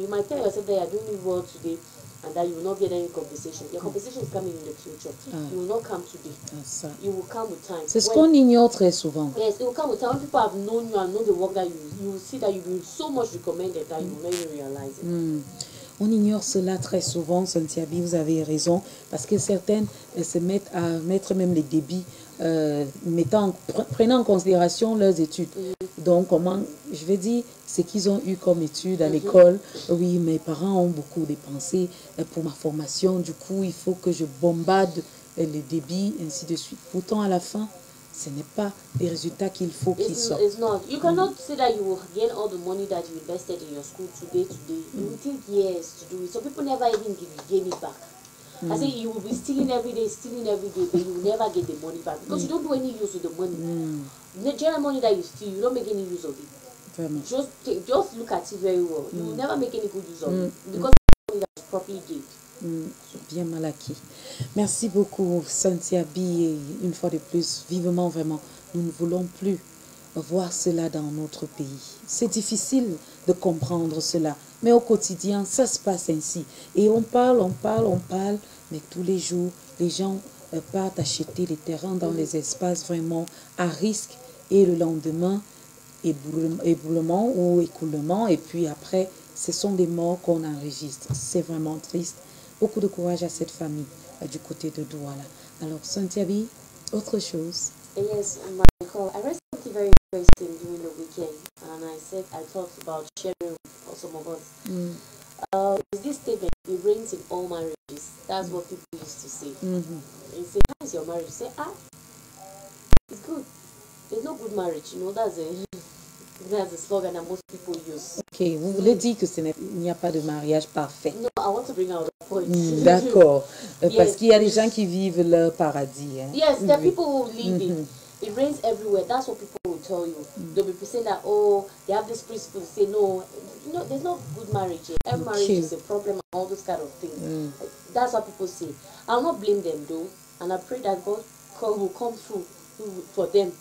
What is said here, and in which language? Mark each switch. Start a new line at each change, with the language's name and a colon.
English: You might tell yourself that you're doing it well today and that you will not get any compensation. Your compensation is coming in the future. It will not come today. It will come with time.
French: C'est ce qu'on ignore très souvent.
English: Yes, it will come with time. When people have known you and know the work that you will see that you've been so much recommended that you will not even realize it.
French: On ignore cela très souvent, Santiabi, vous avez raison, parce que certaines se mettent à mettre même les débits, prenant en considération leurs études. Donc, comment, je vais dire, ce qu'ils ont eu comme études à l'école, oui, mes parents ont beaucoup dépensé pour ma formation, du coup, il faut que je bombarde les débits, ainsi de suite. Pourtant, à la fin, ce n'est pas les résultats qu'il faut qu'ils sortent.
English: It's not. You cannot say that you will gain all the money that you invested in your school today. You will take years to do it. So people never even gain it back. I say you will be stealing every day, but you will never get the money back. Because you don't do any use of the money. The general money that you steal, you don't make any use of it.
French: Vraiment.
English: Just look at it very well. You will never make any good use of it. Because the money that is properly gained.
French: Bien mal acquis. Merci beaucoup, Santiabi. Et une fois de plus, vivement, vraiment, nous ne voulons plus voir cela dans notre pays. C'est difficile de comprendre cela, mais au quotidien, ça se passe ainsi. Et on parle, mais tous les jours, les gens partent acheter les terrains dans les espaces vraiment à risque. Et le lendemain, éboulement ou écoulement. Et puis après, ce sont des morts qu'on enregistre. C'est vraiment triste. Beaucoup de courage à cette famille du côté de Douala. Alors, Santiabi, autre chose.
English: Yes, Michael, I read something very interesting during the weekend, and I talked about sharing with some of us. It's this statement, it rains in all marriages. That's what people used to say. They say, how is your marriage? You say, it's good. There's no good marriage, you know, that's the slogan that most people use.
French: Okay, vous voulez dire que ce n'y a pas de mariage parfait.
English: No, I want to bring out
French: D'accord. Parce qu'il y a des gens qui vivent leur paradis. Hein?
English: Yes, there are people who live it. It rains everywhere. That's what people will tell you. They'll be saying that, they have this principle. They say, no, there's no good marriage here. Every marriage is a problem and all those kind of things. That's what people say. I'll not blame them, though. And I pray that God will come through for them.